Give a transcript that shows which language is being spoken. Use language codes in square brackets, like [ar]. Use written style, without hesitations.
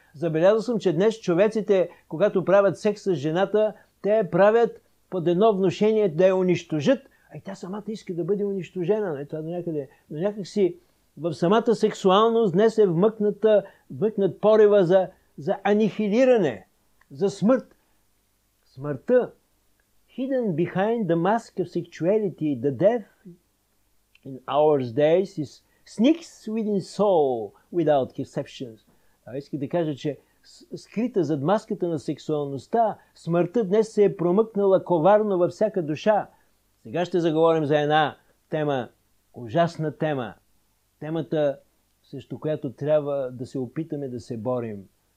[bg] Забелязал съм, че днес човеците, когато правят секс с жената, те правят под едно внушение да я унищожат. Ай, тя самата иска да бъде унищожена. Нали, това до някъде. Но някакси в самата сексуалност днес е вмъкнат порива за анихилиране, за смърт. Смъртта. [en] Hidden behind the mask of sexuality, the death in our days is sneaks within soul without exceptions. [bg] Иска да кажа, че скрита зад маската на сексуалността, смъртта днес се е промъкнала коварно във всяка душа. Сега ще заговорим за една тема, ужасна тема. Темата, срещу която трябва да се опитаме да се борим.